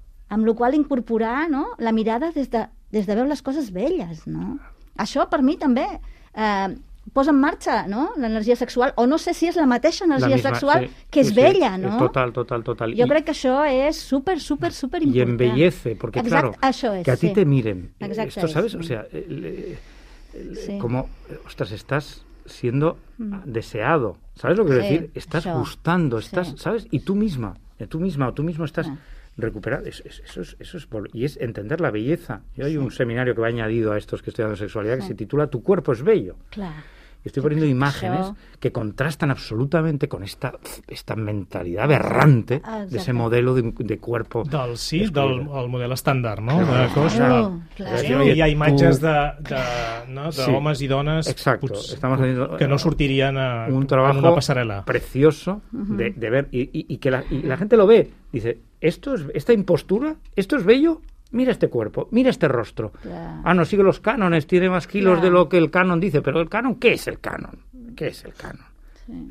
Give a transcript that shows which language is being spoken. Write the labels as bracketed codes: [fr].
[ca] Amb la qual incorporar, no? La mirada des de veure les coses belles, no? Això per mi també, posa en marxa, no?, l'energia sexual, o no sé si és la mateixa energia sexual que és bella, no? Total. Jo crec que això és super, super, super important. [es] I embellece, [ca] perquè, [es] claro, que a ti te miren. [ca] Exacte. [es] Esto, ¿sabes? O sea, como, ostras, estás siendo deseado, ¿sabes lo que quiero decir? Estás gustando, estás, ¿sabes? Y tú misma, o tú mismo estás, recuperar, eso es y es entender la belleza. Yo sí. Hay un seminario que va añadido a estos que estudian sexualidad, sí, que se titula Tu cuerpo es bello. Claro. Y estoy poniendo imágenes que contrastan absolutamente con esta mentalidad aberrante de ese modelo de cuerpo. [ca] Del sí, del model estàndar, no? [es] Claro. De cosa. Claro. [ca] Sí, hi ha imatges d'homes i dones que no sortirien un treball en una passarel·la. [es] Precioso de ver y que la gente lo ve. Dice, esta impostura, esto es bello, mira este cuerpo, mira este rostro. [en] Yeah. [es] Ah, no, sigue los cánones, tiene más kilos de lo que el canon dice, pero el canon, ¿qué es el canon? ¿Qué es el canon? Sí.